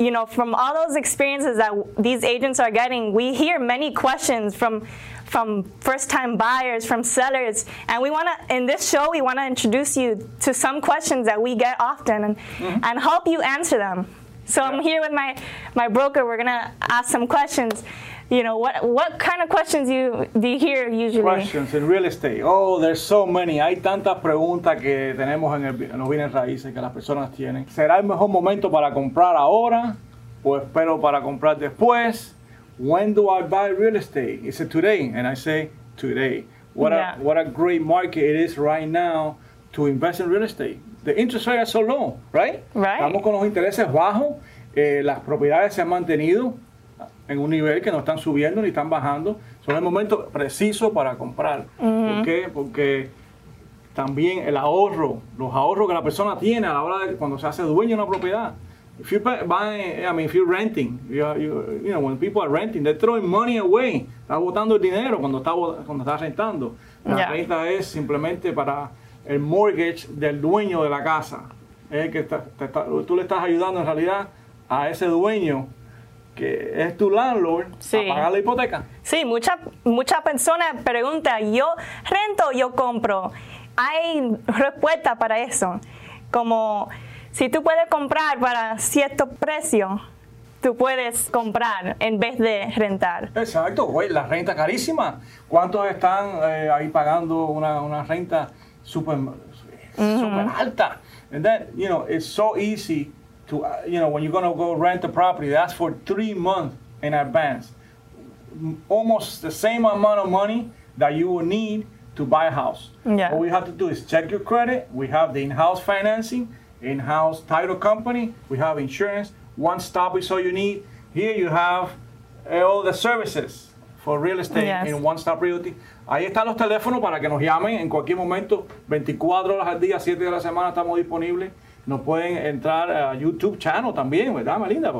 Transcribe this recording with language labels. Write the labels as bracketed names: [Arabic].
[English] You know, from all those experiences that these agents are getting, we hear many questions from first-time buyers, from sellers. And in this show, we want to introduce you to some questions that we get often and help you answer them. So yeah. I'm here with my broker. We're going to ask some questions. You know, what kind of questions do you hear usually? Questions in real estate. Oh, there's so many. [Spanish] Hay tantas preguntas que tenemos en los bienes raíces que las personas tienen. ¿Será el mejor momento para comprar ahora o espero para comprar después? [English] When do I buy real estate? Is it today? And I say, today. What a great market it is right now to invest in real estate. The interest rate is so low, right? Right. [Spanish] Estamos con los intereses bajos. Las propiedades se han mantenido en un nivel que no están subiendo ni están bajando. Son el momento preciso para comprar. Mm-hmm. ¿Por qué? Porque también el ahorro, los ahorros que la persona tiene a la hora de cuando se hace dueño de una propiedad. [English] If you buy, if you're renting, you know, when people are renting, they're throwing money away. [Spanish] Está botando el dinero cuando está rentando. La renta es simplemente para el mortgage del dueño de la casa. Es que tú le estás ayudando en realidad a ese dueño que es tu landlord a pagar la hipoteca. Sí, mucha persona pregunta, ¿yo rento o yo compro? Hay respuesta para eso. Como, si tú puedes comprar para cierto precio, tú puedes comprar en vez de rentar. Exacto. Güey, la renta carísima. ¿Cuántos están ahí pagando una renta súper alta? [English] And then, you know, it's so easy to, you know, when you're going to go rent a property, that's for 3 months in advance. Almost the same amount of money that you will need to buy a house. Yeah. What we have to do is check your credit. We have the in-house financing. In-house title company, we have insurance, one stop is all you need. Here you have all the services for real estate in One Stop Realty. [Spanish] Ahí están los teléfonos para que nos llamen en cualquier momento, 24 horas al día, 7 de la semana estamos disponibles. Nos pueden entrar a YouTube channel también, ¿verdad, Melinda?